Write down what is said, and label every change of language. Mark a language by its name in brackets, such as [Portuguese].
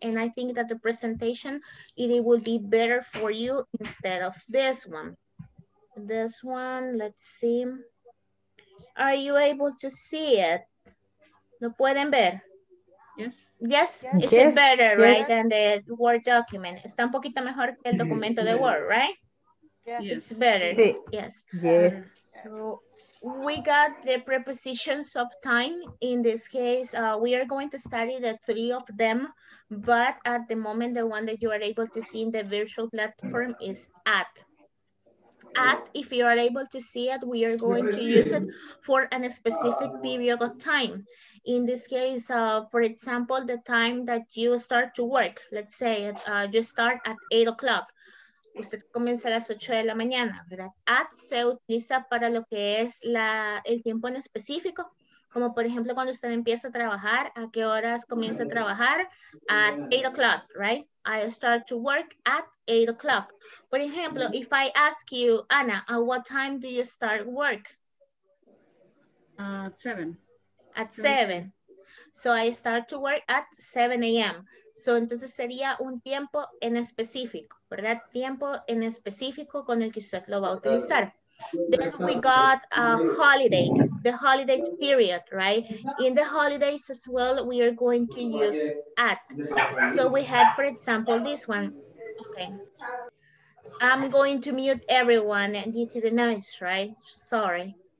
[English] And I think that the presentation, it will be better for you instead of this one. This one, let's see. Are you able to see it? [Spanish] ¿Lo pueden ver? [English] Yes. Yes, yes. Is it better, yes, right, than the Word document? [Spanish] Está un poquito mejor que el documento de Word, right? [English] Yes. It's better. [Spanish] Sí. [English] Yes. Yes. So, we got the prepositions of time. In this case, we are going to study the three of them, but at the moment, the one that you are able to see in the virtual platform is at. At, if you are able to see it, we are going to use it for a specific period of time. In this case, for example, the time that you start to work, let's say you start at 8 o'clock. [Spanish] Usted comienza a las 8 de la mañana, ¿verdad? At se utiliza para lo que es el tiempo en específico, como por ejemplo cuando usted empieza a trabajar, ¿a qué horas comienza a trabajar? [English] At 8 o'clock, right? I start to work at 8 o'clock. [Spanish] Por ejemplo, [English] if I ask you, Ana, at what time do you start work? At 7. At 7. So I start to work at 7 a.m. So, [Spanish] entonces sería un tiempo en específico, ¿verdad? Tiempo en específico con el que usted lo va a utilizar. [English] Then we got holidays, the holiday period, right? In the holidays as well, we are going to use at. So we had, for example, this one. Okay. I'm going to mute everyone due to the noise, right? Sorry.